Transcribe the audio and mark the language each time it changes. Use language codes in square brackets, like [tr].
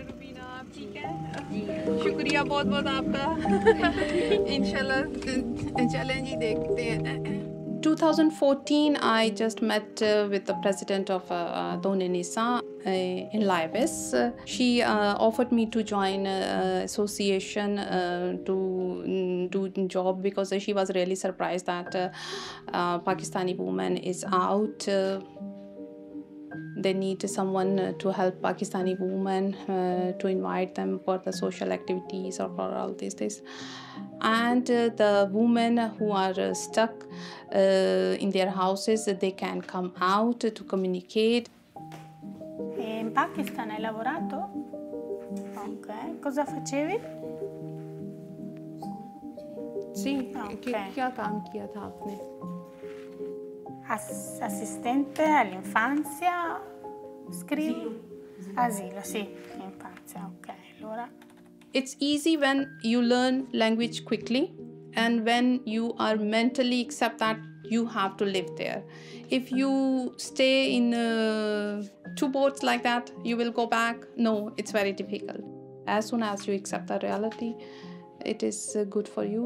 [ur] ਸ਼ੁਕਰੀਆ ਬਹੁਤ ਬਹੁਤ ਆਪਕਾ ਇਨਸ਼ਾਅੱਲਾ ਚੱਲੇ ਜੀ ਦੇਖਦੇ ਹੈ [en] 2014, I just met with the president of Dhoni Nisa in Laibis. She offered me to join association to do job because she was really surprised that Pakistani woman is out. They need someone to help Pakistani women to invite them for the social activities or for all these things. And the women who are stuck in their houses, they can come out to communicate. [it] E in Pakistan hai lavorato? Ok. Cosa facevi? Sì, che lavoro hai fatto? Assistente all'infanzia? Scrivi? Asilo, sì, infanzia, ok, allora. [en] It's easy when you learn language quickly and when you are mentally accept that you have to live there. If you stay in two boats like that, you will go back. No, it's very difficult. As soon as you accept the reality, it is good for you.